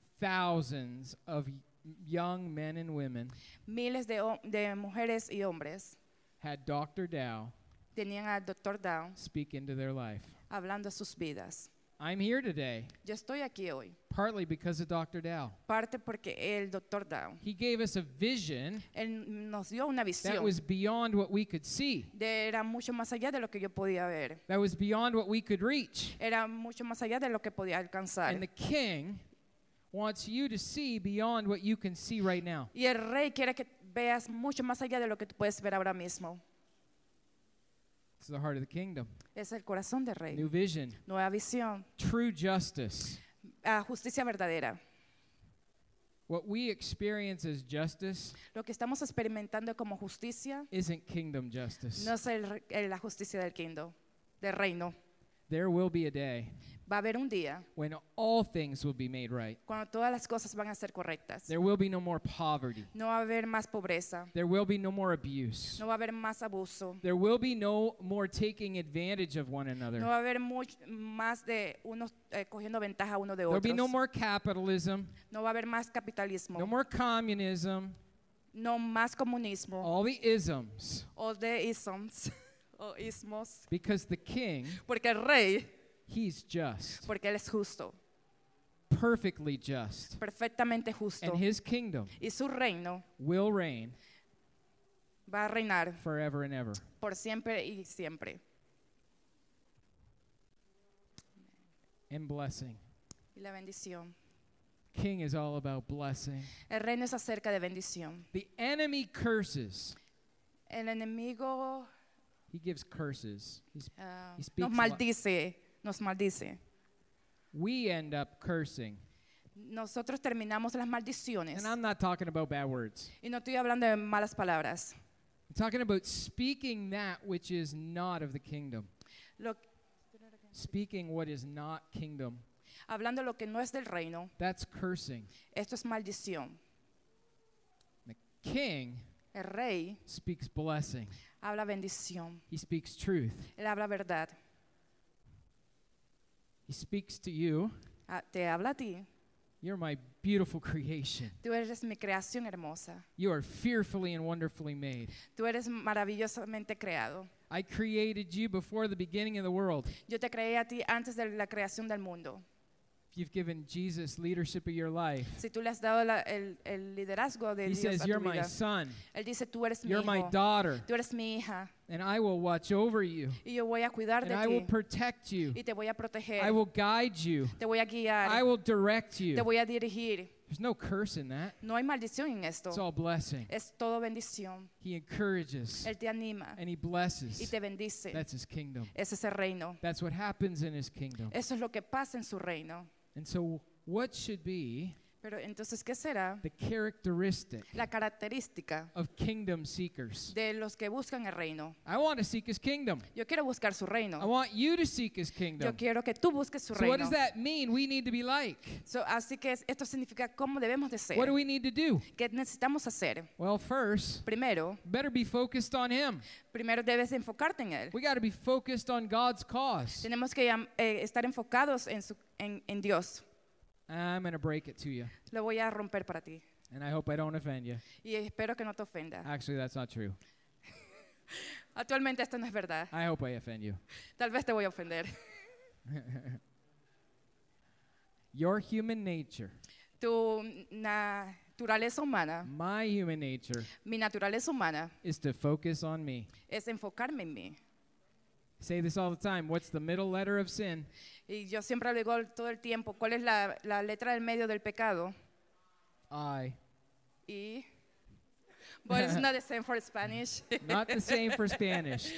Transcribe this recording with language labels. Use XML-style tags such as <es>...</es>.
<en>Thousands of young men and women.</en> <es>Miles de mujeres y hombres.</es> <en>Had Dr. Dow.</en> <es>Tenían a Dr. Dow</es> <en>speak into their life.</en> <es>Hablando a sus vidas.</es> <en>I'm here today.</en> <es>Yo estoy aquí hoy.</es> <en>Partly because of Dr. Dow.</en> <es>Parte porque el Dr. Dow.</es> <en>He gave us a vision.</en> <es>Él nos dio una visión.</es> <en>That was beyond what we could see.</en> <es>De era mucho más allá de lo que yo podía ver.</es> <en>That was beyond what we could reach.</en> <es>Era mucho más allá de lo que podía alcanzar.</es> <en>And the king wants you to see beyond what you can see right now.</en> <es>Y el rey quiere que veas mucho más allá de lo que tú puedes ver ahora mismo.</es> <en>It's the heart of the kingdom.</en> <es>Es el corazón del rey.</es> <en>New vision.</en> <es>Nueva visión.</es> <en>True justice.</en> <es>Justicia verdadera.</es> <en>What we experience as justice,</en> <es>lo que estamos experimentando como justicia,</es> <en>isn't kingdom justice.</en> <es>No es la justicia del kingdom, del reino.</es> <en>There will be a day.</en> <es>Va a haber un día.</es> <en>When all things will be made right.</en> <es>Cuando todas las cosas van a ser correctas.</es> <en>There will be no more poverty.</en> <es>No va a haber más pobreza.</es> <en>There will be no more abuse.</en> <es>No va a haber más abuso.</es> <en>There will be no more taking advantage of one another.</en> <es>No va a haber más de unos cogiendo ventaja uno de otros.</es> <en>There will be no more capitalism.</en> <es>No va a haber más capitalismo.</es> <en>No more communism.</en> <es>No más comunismo.</es> <en>All the isms. All the isms. Because the king,</en> <es>porque el rey,</es> <en>he's just,</en> <es>porque él es justo,</es> <en>perfectly just,</en> <es>perfectamente justo,</es> <en>and his kingdom,</en> <es>y su reino,</es> <en>will reign,</en> <es>va a reinar,</es> <en>forever and ever,</en> <es>por siempre y siempre,</es> <en>and blessing,</en> <es>y la bendición.</es> <en>King is all about blessing.</en> <es>El reino es acerca de bendición.</es> <en>The enemy curses.</en> <es>El enemigo.</es> <en>He gives curses. He speaks.</en> <es>Nos maldice.</es> <en>We end up cursing.</en> <es>Nosotros terminamos las maldiciones.</es> <en>And I'm not talking about bad words.</en> <es>Y no estoy hablando de malas palabras.</es> <en>I'm talking about speaking that which is not of the kingdom. Speaking what is not kingdom.</en> <es>Hablando lo que no es del reino.</es> <en>That's cursing.</en> <es>Esto es maldición.</es> <en>The king.</en> <es>El rey.</es> <en>Speaks blessing.</en> <es>Habla bendición.</es> <en>He speaks truth.</en> <es>Él habla verdad.</es> <en>He speaks to you.</en> <es>Te habla a ti.</es> <en>You're my beautiful creation.</en> <es>Tú eres mi creación hermosa.</es> <en>You are fearfully and wonderfully made.</en> <es>Tú eres maravillosamente creado.</es> <en>I created you before the beginning of the world.</en> <es>Yo te creé a ti antes de la creación del mundo.</es> <en>You've given Jesus leadership of your life.</en> <es>Si tú le has dado el liderazgo de</es> <en>he</en> <es>Dios</es> <en>says, you're</en> <es>vida,</es> <en>my son.</en> <es>Él dice, tú eres</es> <en>you're</en> <es>mi hijo.</es> <en>My daughter.</en> <es>Tú eres mi hija.</es> <en>And I will watch over you.</en> <es>Y yo voy a cuidar</es> <en>and</en> <es>de</es> <en>I</en> <es>ti.</es> <en>Will protect you.</en> <es>Y te voy a proteger.</es> <en>I will guide you.</en> <es>Te voy a guiar.</es> <en>I will direct you.</en> <es>Te voy a dirigir.</es> <en>There's no curse in that.</en> <es>No hay maldición en esto.</es> <en>It's all blessing.</en> <es>Es todo bendición.</es> <en>He encourages.</en> <es>Él te anima.</es> <en>And he blesses.</en> <es>Y te bendice.</es> <en>That's his kingdom.</en> <es>Ese es el reino.</es> <en>That's what happens in his kingdom.</en> <es>Eso es lo que pasa en su reino.</es> <en>And so what should be</en> <es>pero entonces, ¿qué será</es> <en>the characteristic</en> <es>la característica</es> <en>of kingdom seekers?</en> <es>De los que buscan el reino.</es> <en>I want to seek his kingdom.</en> <es>Yo quiero buscar su reino.</es> <en>I want you to seek his kingdom.</en> <es>Yo quiero que tú busques su</es> <en>so</en> <es>reino.</es> <en>What does that mean we need to be like?</en> <es>So, así que esto significa cómo debemos de ser.</es> <en>What do we need to do?</en> <es>¿Qué necesitamos hacer?</es> <en>Well, first,</en> <es>primero,</es> <en>better be focused on him.</en> <es>Primero debes enfocarte en él.</es> <en>We got to be focused on God's cause.</en> <es>Tenemos que estar enfocados en Dios.</es> <en>I'm going to break it to you.</en> <es>Lo voy a romper para ti.</es> <en>And I hope I don't offend you.</en> <es>Y espero que no te ofenda.</es> <en>Actually, that's not true.</en> <es>Actualmente esto no es verdad.</es> <en>I hope I offend you.</en> <es>Tal vez te voy a ofender.</es> <en>Your human nature.</en> <es>Tu naturaleza humana.</es> <en>My human nature.</en> <es>Mi naturaleza humana.</es> <en>Is to focus on me.</en> <es>Es enfocarme en mí.</es> <en>Say this all the time. What's the middle letter of sin?</en> <es>Y yo siempre digo todo el tiempo, ¿cuál es la letra del medio del pecado?</es> <en>I.</en> <es>Y.</es> <en>But it's not the same for Spanish. Not the same for Spanish.</en>